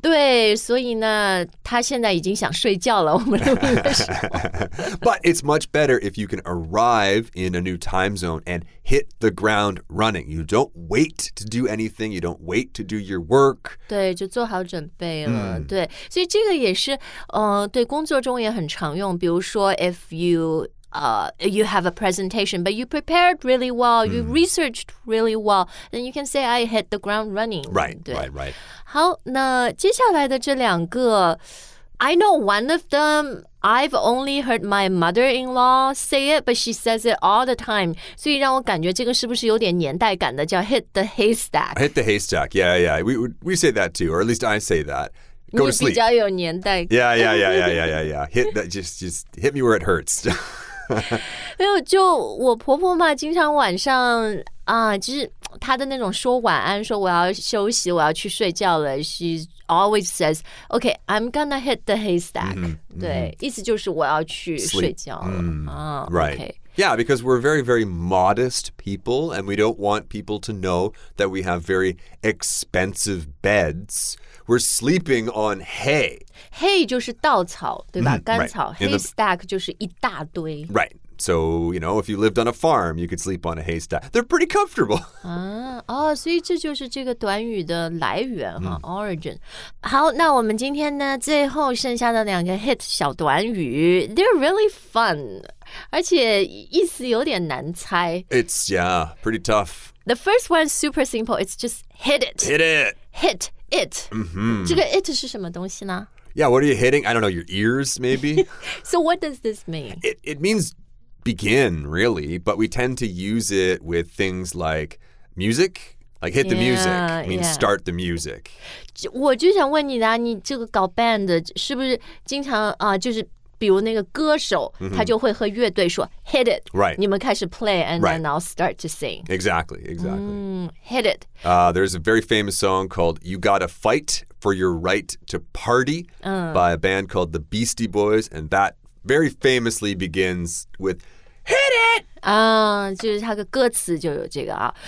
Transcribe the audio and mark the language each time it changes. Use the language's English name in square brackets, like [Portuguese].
[Chinese] 对，所以呢，他现在已经想睡觉了，我们录音的时候。 [English] But it's much better if you can arrive in a new time zone and hit the ground running. You don't wait to do anything. You don't wait to do your work. [Chinese] 对，就做好准备了。对，所以这个也是，对工作中也很常用。比如说 [English] if youyou have a presentation, but you prepared really well, you researched really well, then you can say I hit the ground running. Right. [Chinese] 好，那接下来的这两个 [English] I know one of them, I've only heard my mother-in-law say it, but she says it all the time. [Chinese] 所以让我感觉这个是不是有点年代感的叫 hit the haystack. [English] Hit the haystack, yeah. We say that too, or at least I say that. Go to sleep. [Chinese] 你比较有年代感。 [English] Yeah. Hit that, just hit me where it hurts. [Chinese] 没有，就我婆婆嘛，经常晚上啊，就是她的那种说晚安，说我要休息，我要去睡觉了。 [English] She always says, "Okay, I'm gonna hit the haystack." Mm-hmm, 对， mm-hmm. [Chinese] 意思就是我要去睡觉了。 [English] Right. Okay. Yeah, because we're very, very modest people, and we don't want people to know that we have very expensive beds. We're sleeping on hay. [Chinese] Hay 就是稻草，对吧？干草。Haystack 就是一大堆。 [English] Right. So, you know, if you lived on a farm, you could sleep on a haystack. They're pretty comfortable. [Chinese] Oh, 所以这就是这个短语的来源啊 origin. 好，那我们今天呢，最后剩下的两个 hit 小短语 [English] they're really fun. [Chinese] 而且意思有点难猜。 [English] It's, yeah, pretty tough. The first one is super simple. It's just hit it. Hit it. Hit it. Mm-hmm. [Chinese] 这个 it 是什么东西呢？ [English] Yeah, what are you hitting? I don't know, your ears, maybe? So what does this mean? It means... begin really, but we tend to use it with things like music, like hit the music means start the music. [Chinese] 我就想问你啊，你这个搞 band 是不是经常啊？就是比如那个歌手，他就会和乐队说 hit it, [English] right? [Chinese] 你们开始 [English] play, and then I'll start to sing. Exactly. Hit it. There's a very famous song called "You Gotta Fight for Your Right to Party" by a band called the Beastie Boys, and that. Very famously begins with hit it! [Chinese] 就是它的歌词就有这个啊。